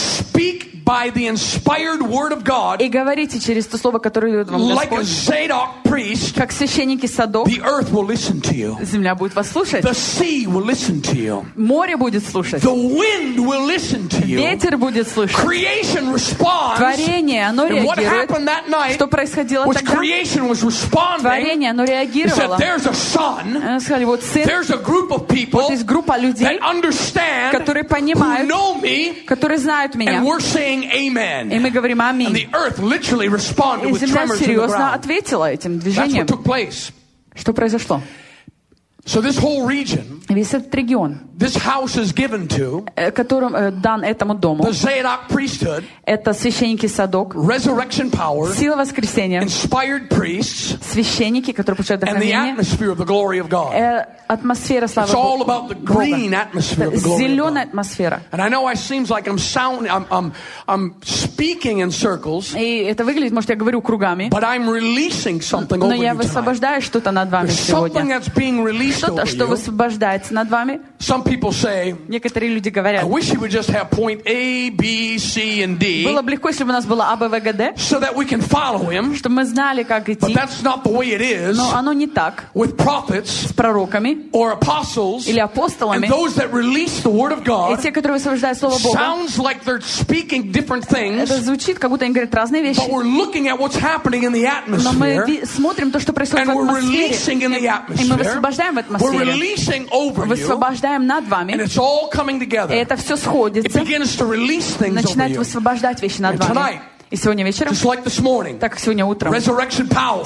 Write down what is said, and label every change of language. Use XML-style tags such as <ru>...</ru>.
<en>and speak by the inspired word of God,</en> <ru>и говорите через то слово, которое дает вам Господь,</ru> <en>like a Zadok priest,</en> <ru>как священники Садок,</ru> <en>the earth will listen to you,</en> <ru>земля будет вас слушать,</ru> <en>the sea will listen to you,</en> <ru>море будет слушать,</ru> <en>the wind will listen to you,</en> <ru>ветер будет слушать,</ru> <en>creation responds,</en> <ru>творение, оно реагирует,</ru> <en>what happened that night,</en> <ru>что происходило тогда,</ru> <en>which creation was responding,</en> <ru>творение, оно реагировало,</ru> <en>said, there's a son,</en> <ru>они сказали, вот сын,</ru> <en>there's a group of people,</en> <ru>вот есть группа людей,</ru> <en>that understand,</en> <ru>которые понимают,</ru> <en>who know me,</en> <ru>которые знают меня,</ru> <en>and we're saying amen,</en> <ru>и мы говорим аминь,</ru> <en>and the earth literally responded with tremors in the ground.</en> <ru>И земля серьезно ответила этим движением.</ru> <en>That's what took place.</en> <ru>Что произошло?</ru> <en>So this whole region,</en> <ru>весь этот регион,</ru> <en>this house is given to,</en> <ru>которым дан этому дому,</ru> <en>the Zadok priesthood,</en> <ru>это священники Садок,</ru> <en>resurrection power,</en> <ru>сила воскресения,</ru> <en>inspired priests,</en> <ru>священники, которые получают вдохновение,</ru> <en>and the atmosphere of the glory of God.</en> <ru>Атмосфера славы Бога.</ru> <en>It's all about the green atmosphere of the glory of God.</en> <ru>Зеленая атмосфера.</ru> <en>And I know it seems like I'm speaking in circles.</en> <ru>И это выглядит, может, я говорю кругами.</ru> <en>But I'm releasing something over you tonight.</en> <ru>Но я высвобождаю что-то над вами</ru> <en>There's</en> <ru>сегодня.</ru> <en>Something that's being released</en> <ru>что-то,</ru> <en>over</en> <ru>что</ru> <en>you.</en> <ru>Высвобождается над вами.</ru> <en>Some people say.</en> <ru>Некоторые люди говорят.</ru> <en>I wish you would just have point A, B, C, and D.</en> <ru>Было бы легко, если бы у нас было А, Б, В, Г, Д.</ru> <en>So that we can follow him.</en> <ru>Чтобы мы знали, как идти.</ru> <en>But that's not the way it is.</en> <ru>Но оно не так.</ru> <en>With prophets.</en> <ru>С пророками.</ru> <en>Or apostles,</en> <ru>или апостолами,</ru> <en>and those that release the word of God,</en> <ru>и те, которые высвобождают слово Бога,</ru> <en>sounds like they're speaking different things.</en> <ru>Это звучит, как будто они говорят разные вещи.</ru> <en>But we're looking at what's happening in the atmosphere.</en> <ru>Но мы смотрим то, что происходит в атмосфере.</ru> <en>And we're releasing in the atmosphere.</en> <ru>И мы высвобождаем в атмосфере.</ru> <en>We're releasing, oh over you.</en> <ru>Высвобождаем над вами.</ru> <en>And it's all coming together.</en> <ru>Это все сходится.</ru> <en>It begins to release things over you.</en> <ru>Начинает высвобождать вещи над вами.</ru> <en>Tonight.</en> <ru>И сегодня вечером,</ru> <en>just like this morning,</en> <ru>так как сегодня утром,</ru> <en>resurrection power,</en>